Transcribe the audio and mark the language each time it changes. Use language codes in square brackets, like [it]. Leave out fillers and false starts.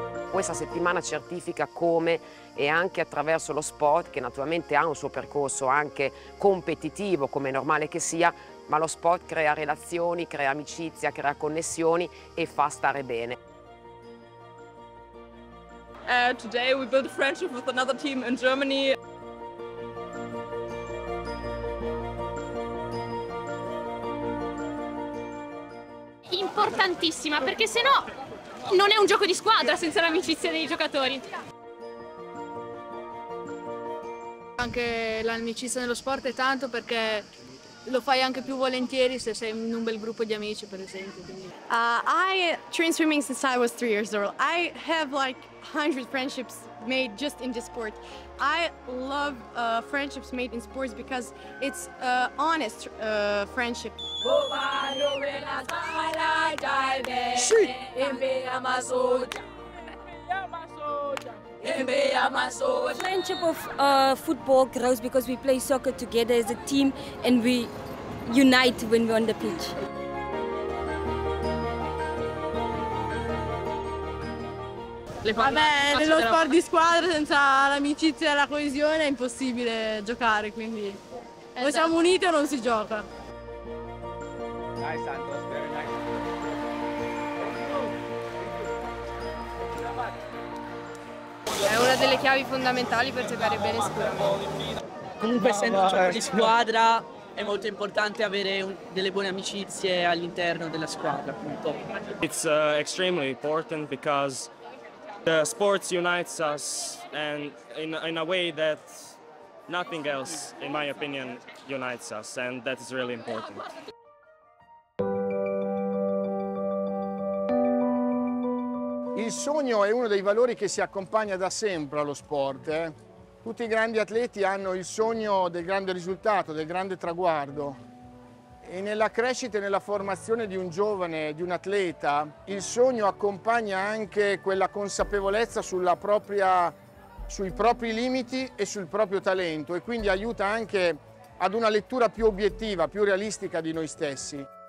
[it] Questa settimana certifica come e anche attraverso lo sport, che naturalmente ha un suo percorso anche competitivo, come è normale che sia, ma lo sport crea relazioni, crea amicizia, crea connessioni e fa stare bene. [en] Today we build a friendship with another team in Germany. [it] Importantissima, perché sennò non è un gioco di squadra senza l'amicizia dei giocatori. Anche l'amicizia nello sport è tanto perché lo fai anche più volentieri se sei in un bel gruppo di amici, per esempio. [en] I train swimming since I was 3 years old. I have like 100 friendships made just in this sport. I love friendships made in sports because it's honest friendship. Friendship of football grows because we play soccer together as a team and we unite when we're on the pitch. [it] Vabbè, nello sport di squadra senza l'amicizia e la coesione è impossibile giocare, quindi o siamo uniti o non si gioca. È una delle chiavi fondamentali per giocare bene squadra. Comunque essendo di squadra è molto importante avere delle buone amicizie all'interno della squadra, appunto. [en] It's extremely important because the sports unites us and in a way that nothing else, in my opinion, unites us, and that is really important. [it] Il sogno è uno dei valori che si accompagna da sempre allo sport. Eh? Tutti i grandi atleti hanno il sogno del grande risultato, del grande traguardo. E nella crescita e nella formazione di un giovane, di un atleta, il sogno accompagna anche quella consapevolezza sui propri limiti e sul proprio talento, e quindi aiuta anche ad una lettura più obiettiva, più realistica di noi stessi.